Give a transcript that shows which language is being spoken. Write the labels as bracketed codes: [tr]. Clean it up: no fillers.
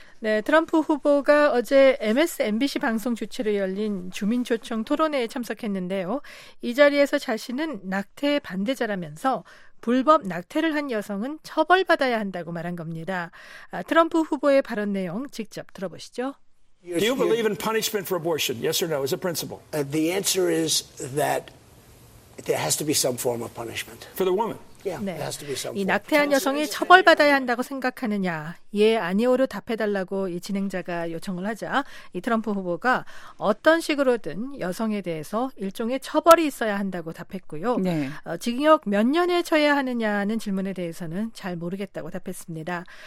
[ko] 네, 트럼프 후보가 어제 MSNBC 방송 주최로 열린 주민초청 토론회에 참석했는데요. 이 자리에서 자신은 낙태 반대자라면서 불법 낙태를 한 여성은 처벌받아야 한다고 말한 겁니다. 아, 트럼프 후보의 발언 내용 직접 들어보시죠. [en] Do you believe in punishment for abortion? Yes or no? As a principle? The answer is that there has to be some form of punishment. For the woman? Yeah, there has to be some form. [ko] 이 낙태한 여성이 처벌받아야 한다고 생각하느냐? 예, 아니오로 답해달라고 이 진행자가 요청을 하자 이 트럼프 후보가 어떤 식으로든 여성에 대해서 일종의 처벌이 있어야 한다고 답했고요. 네. 징역 몇 년에 처해야 하느냐는 질문에 대해서는 잘 모르겠다고 답했습니다.